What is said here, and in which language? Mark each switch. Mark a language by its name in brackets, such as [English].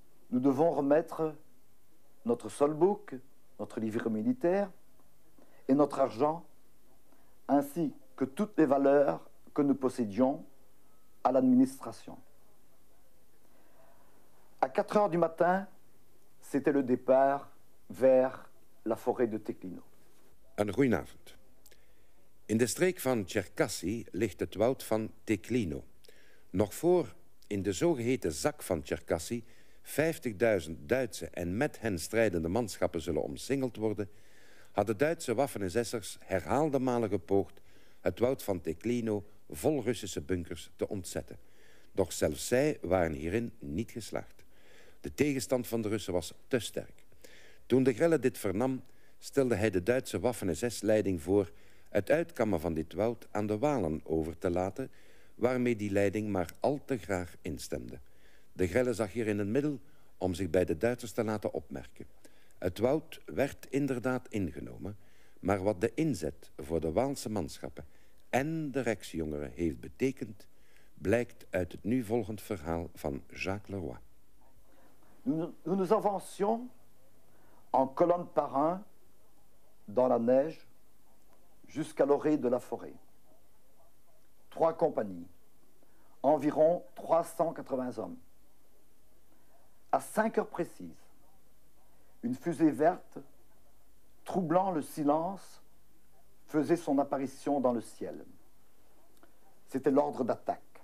[French] Nous devons remettre notre soldbook, notre livre militaire et notre argent, ainsi que toutes les valeurs que nous possédions, à l'administration. À 4 heures du matin, c'était le départ vers la forêt de Teklino. [Dutch] Een goedenavond. In de streek van Tcherkassy ligt het woud van Teklino. Nog voor, in de zogeheten zak van Tcherkassy, 50.000 Duitse en met hen strijdende manschappen zullen omsingeld worden, hadden Duitse Waffen-SS'ers herhaalde malen gepoogd het woud van Teklino vol Russische bunkers te ontzetten. Doch zelfs zij waren hierin niet geslaagd. De tegenstand van de Russen was te sterk. Toen de Grelle dit vernam, stelde hij de Duitse Waffen-SS-leiding voor het uitkammen van dit woud aan de Walen over te laten, waarmee die leiding maar al te graag instemde. De Grelle zag hierin een middel om zich bij de Duitsers te laten opmerken. Het woud werd inderdaad ingenomen, maar wat de inzet voor de Waalse manschappen en de Rijksjongeren heeft betekend, blijkt uit het nu volgend verhaal van Jacques Leroy. [French] Nous avancions en colonne par un dans la neige jusqu'à l'orée de la forêt. Trois compagnies, environ 380 hommes. À 5 heures précises, une fusée verte, troublant le silence, faisait son apparition dans le ciel. C'était l'ordre d'attaque.